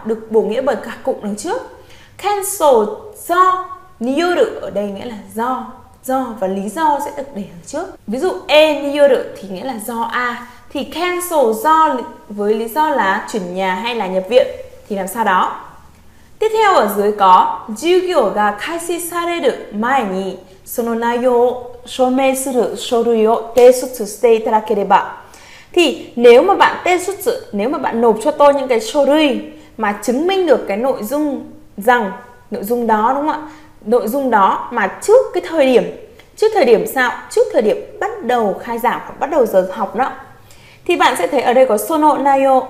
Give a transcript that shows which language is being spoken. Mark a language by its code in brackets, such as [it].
[vi] Được bổ nghĩa bởi cả cụm đằng trước. Cancel do, 入院 ở đây nghĩa là do và lý do sẽ được để đằng trước. Ví dụ 入院 thì nghĩa là do A. Thì cancel do với lý do là chuyển nhà hay là nhập viện thì làm sao đó. Tiếp theo ở dưới có [ja] 授業が開始される前に その内容を証明する書類を提出していただければ. [vi] Thì nếu mà bạn 提出, nếu mà bạn nộp cho tôi những cái 書類 mà chứng minh được cái nội dung rằng, nội dung đó, đúng không ạ? Nội dung đó mà trước cái thời điểm, trước thời điểm sao? Trước thời điểm bắt đầu khai giảng hoặc bắt đầu giờ học đó. Thì bạn sẽ thấy ở đây có sono nayo.